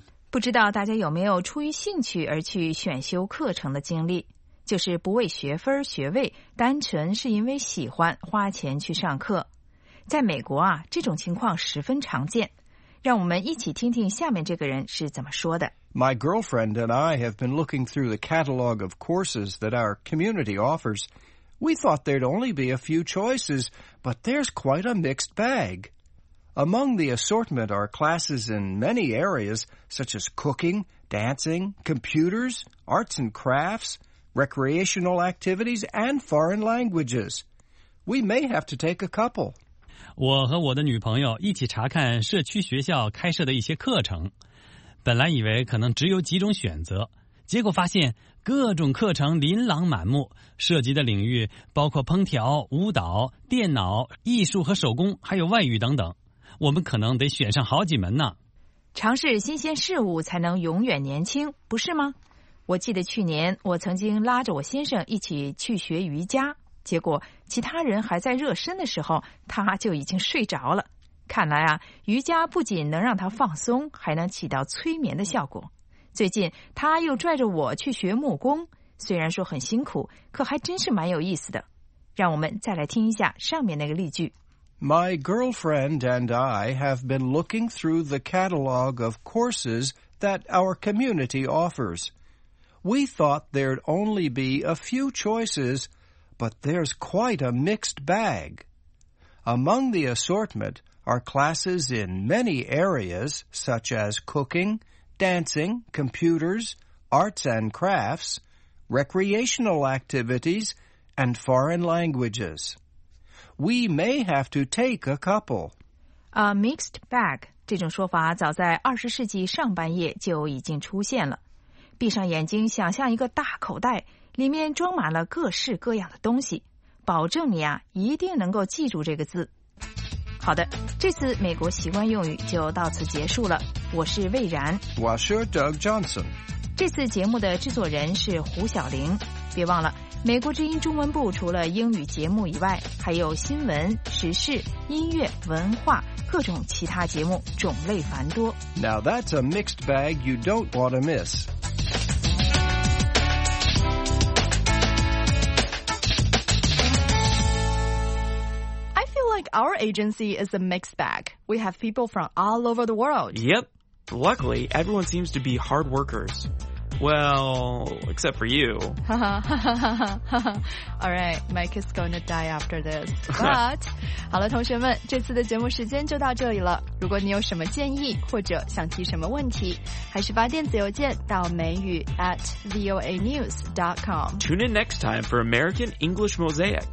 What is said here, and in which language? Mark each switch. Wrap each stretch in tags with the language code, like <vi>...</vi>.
<zh>不知道大家有没有出于兴趣而去选修课程的经历，就是不为学分学位，单纯是因为喜欢花钱去上课。在美国啊，这种情况十分常见。让我们一起听听下面这个人是怎么说的。</zh> <en>My girlfriend and I have been looking through the catalog of courses that our community offers. We thought there'd only be a few choices, but there's quite a mixed bag. Among the assortment are classes in many areas, such as cooking, dancing, computers, arts and crafts,recreational activities and foreign languages. We may have to take a couple.</en> <zh>我和我的女朋友一起查看社区学校开设的一些课程，本来以为可能只有几种选择，结果发现各种课程琳琅满目，涉及的领域包括烹调、舞蹈、电脑、艺术和手工，还有外语等等，我们可能得选上好几门呢。尝试新鲜事物才能永远年轻，不是吗？我记得去年我曾经拉着我先生一起去学瑜伽，结果其他人还在热身的时候他就已经睡着了。看来啊，瑜伽不仅能让他放松，还能起到催眠的效果。最近他又拽着我去学木工，虽然说很辛苦，可还真是蛮有意思的。让我们再来听一下上面那个例句。</zh> <en>My girlfriend and I have been looking through the catalog of courses that our community offers. We thought there'd only be a few choices, but there's quite a mixed bag. Among the assortment are classes in many areas, such as cooking, dancing, computers, arts and crafts, recreational activities, and foreign languages. We may have to take a couple.</en> <zh>A mixed bag, 这种说法早在二十世纪上半叶就已经出现了。闭上眼睛想象一个大口袋，里面装满了各式各样的东西，保证你啊一定能够记住这个字。好的，这次美国习惯用语就到此结束了。我是魏然，我是 Doug Johnson。这次节目的制作人是胡晓玲。别忘了，美国之音中文部除了英语节目以外，还有新闻、时事、音乐、文化，各种其他节目，种类繁多。</zh> <en>Now that's a mixed bag you don't want to miss. I feel like our agency is a mixed bag. We have people from all over the world. Yep. Luckily, everyone seems to be hard workers. Well, except for you. Alright, Mike is going to die after this.</en> <zh>But, 好了，同学们，这次的节目时间就到这里了。如果你有什么建议或者想提什么问题，还是发电子邮件到美语@voanews.com.</zh> <en>Tune in next time for American English Mosaic.</en>